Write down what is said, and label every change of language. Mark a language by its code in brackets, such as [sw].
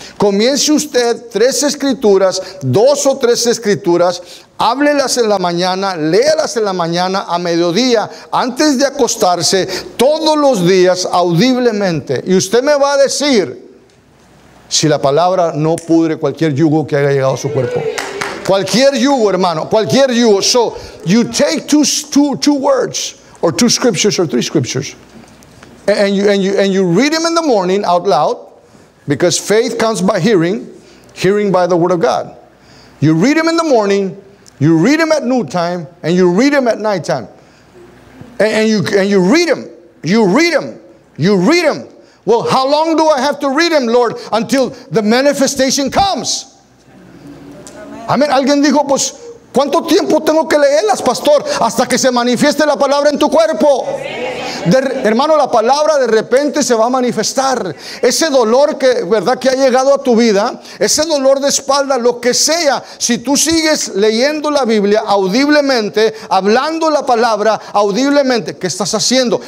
[es] Comience usted 3 escrituras, 2 o 3 escrituras, háblelas en la mañana, léalas en la mañana, a mediodía, antes de acostarse, todos los días, audiblemente. Y usted me va a decir si la palabra no pudre cualquier yugo que haya llegado a su cuerpo. Cualquier yugo, hermano, cualquier yugo. [en] So, you take two words, or 2 scriptures, or 3 scriptures, and you read them in the morning out loud. Because faith comes by hearing, hearing by the word of God. You read them in the morning, you read them at noontime, and you read them at nighttime. And you read them, you read them, you read them. Well, how long do I have to read them, Lord, until the manifestation comes? I mean, [es] alguien dijo, pues, ¿cuánto tiempo tengo que leerlas, pastor? Hasta que se manifieste la palabra en tu cuerpo. Hermano, la palabra de repente se va a manifestar. Ese dolor que, ¿verdad?, que ha llegado a tu vida, ese dolor de espalda, lo que sea, si tú sigues leyendo la Biblia audiblemente, hablando la palabra audiblemente, ¿qué estás haciendo?